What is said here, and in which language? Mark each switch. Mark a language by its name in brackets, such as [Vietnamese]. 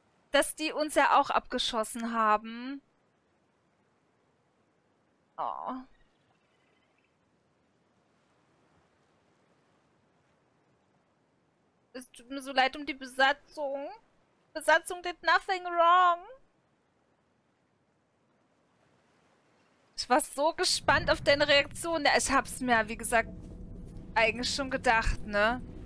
[German] Dass die uns ja auch abgeschossen haben. Oh. Es tut mir so leid um die Besatzung. [English] Besatzung did nothing wrong. [German] Ich war so gespannt auf deine Reaktion. Ja, ich hab's mir, wie gesagt, eigentlich schon gedacht, ne?